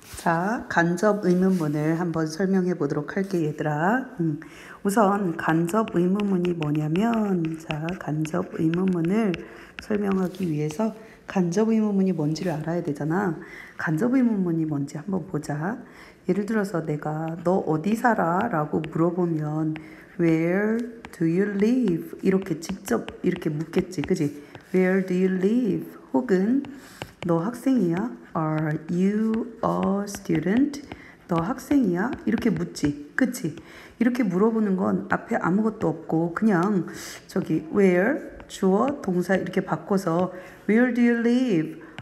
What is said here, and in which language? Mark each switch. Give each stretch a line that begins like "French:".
Korean: 자, 간접 의문문을 한번 설명해 보도록 할게, 얘들아. 우선 간접 의문문이 뭐냐면, 자, 간접 의문문을 설명하기 위해서 간접 의문문이 뭔지를 알아야 되잖아. 간접 의문문이 뭔지 한번 보자. 예를 들어서 내가 너 어디 살아? 라고 물어보면,
English: Where do you live?
Korean: 이렇게 직접 이렇게 묻겠지, 그지?
English: Where do you live?
Korean: 혹은, 너 학생이야?
English: Are you a student?
Korean: 너 학생이야? 이렇게 묻지, 그치? 이렇게 물어보는 건 앞에 아무것도 없고 그냥 저기 where 주어 동사 이렇게 바꿔서
English: where do you live?